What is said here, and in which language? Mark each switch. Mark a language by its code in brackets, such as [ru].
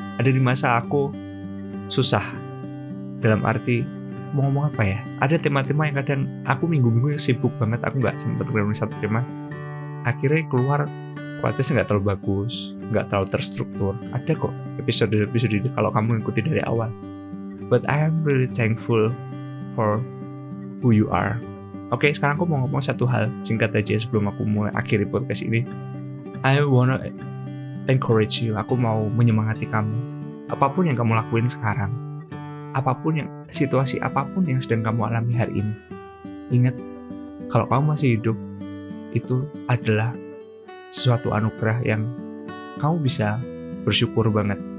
[id] Ada di masa aku susah, dalam arti mau ngomong apa ya, ada tema-tema yang kadang aku minggu-minggu yang sibuk banget, aku gak sempet ngomong satu tema, akhirnya keluar kualitasnya gak terlalu bagus, gak terlalu terstruktur. Ada kok episode-episode ini kalau kamu ikuti dari awal. [en] But I am really thankful for who you are. [id] Oke, sekarang aku mau ngomong satu hal singkat aja sebelum aku mulai akhiri podcast ini. [en] I wanna encourage you. [id] Aku mau menyemangati kamu. Apapun yang kamu lakuin sekarang, apapun yang situasi apapun yang sedang kamu alami hari ini, ingat kalau kamu masih hidup itu adalah sesuatu anugerah yang kamu bisa bersyukur banget.